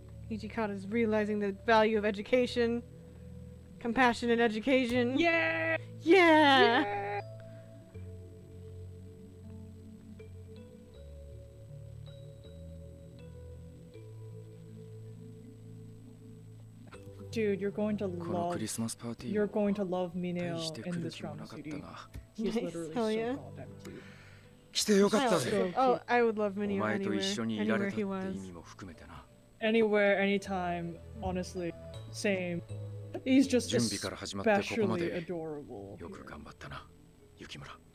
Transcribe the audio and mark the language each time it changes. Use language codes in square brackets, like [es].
[en] Ichikawa is realizing the value of education. Compassion and education. Yeah! Yeah! Yeah! Dude, you're going to love... [ja] このクリスマスパーティー、 [en] you're going to love Mineo in this drama CD. He's literally so goddamn cute. [ja] 来てよかったぜ。 [en] Oh, I would love Mineo anywhere. [ja] お前と一緒にいられたって意味も含めてな。 [en] Anywhere, anytime, honestly, same. He's just especially adorable. [ja] よく頑張ったな、雪村。